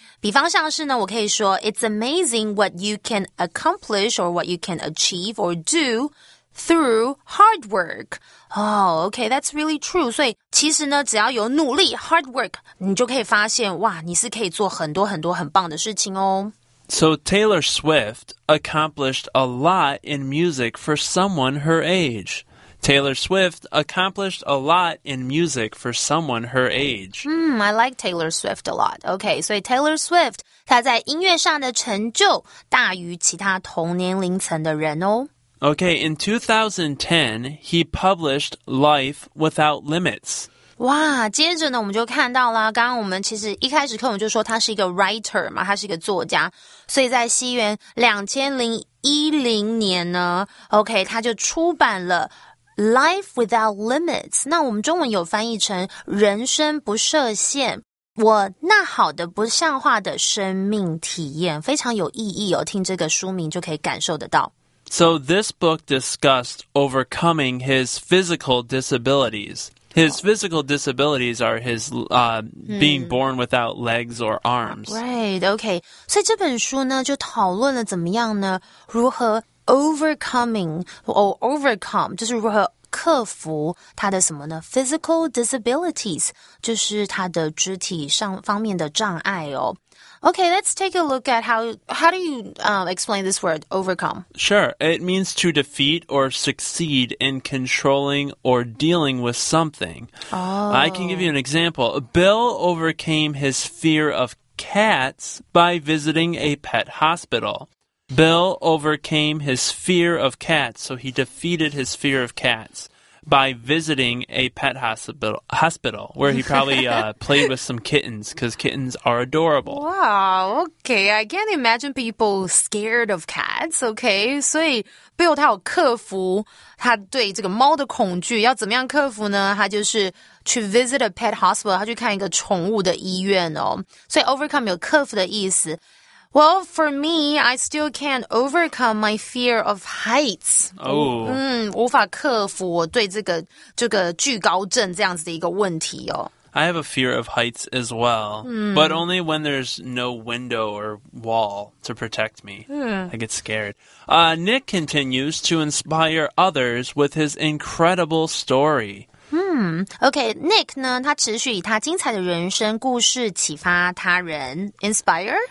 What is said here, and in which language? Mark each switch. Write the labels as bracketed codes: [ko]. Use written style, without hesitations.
[zh] 比方像是呢，我可以说 [en] It's amazing what you can accomplish or what you can achieve or do through hard work. Oh, okay, that's really true. [zh] 所以其实呢，只要有努力 [en] hard work, [zh] 你就可以发现哇，你是可以做很多很多很棒的事情哦。 [en] So Taylor Swift accomplished a lot in music for someone her age. Taylor Swift accomplished a lot in music for someone her age. I like Taylor Swift a lot. [zh] Okay, so Taylor Swift, 她在音乐上的成就大于其他同年龄层的人哦。 [en] Okay, in 2010, he published Life Without Limits. [zh] 哇，接着呢，我们就看到了，刚刚我们其实一开始课我们就说他是一个 writer 嘛，他是一个作家，所以在西元2010年呢 ，OK， 他就出版了《Life Without Limits》，那我们中文有翻译成《人生不设限》，我那好的不像话的生命体验，非常有意义哦，听这个书名就可以感受得到。 [en] So this book discussed overcoming his physical disabilities. His physical disabilities are his being born without legs or arms. Right, okay. [zh] 所以这本书呢就讨论了怎么样呢如何 [en] overcoming or overcome, [zh] 就是如何克服他的什么呢 [en] physical disabilities, [zh] 就是他的肢体上方面的障碍哦。 [en] Okay, let's take a look at how do you explain this word, overcome? Sure, it means to defeat or succeed in controlling or dealing with something. Oh. I can give you an example. Bill overcame his fear of cats by visiting a pet hospital. Bill overcame his fear of cats, so he defeated his fear of cats. By visiting a pet hospital, where he probably played with some kittens, because kittens are adorable. Wow, okay, I can't imagine people scared of cats, okay? [zh] 所以 Bill 他有克服他对这个猫的恐惧，要怎么样克服呢？他就是去 [en] visit a pet hospital, [zh] 他去看一个宠物的医院哦。所以 overcome 有克服的意思。 [en] Well, for me, I still can't overcome my fear of heights. Oh. [zh] 无法克服我对这个惧高症这样子的一个问题哦。 [en] I have a fear of heights as well, but only when there's no window or wall to protect me. I get scared. Nick continues to inspire others with his incredible story. [zh] OK,Nick、okay, 呢他持续以他精彩的人生故事启发他人 ,inspire?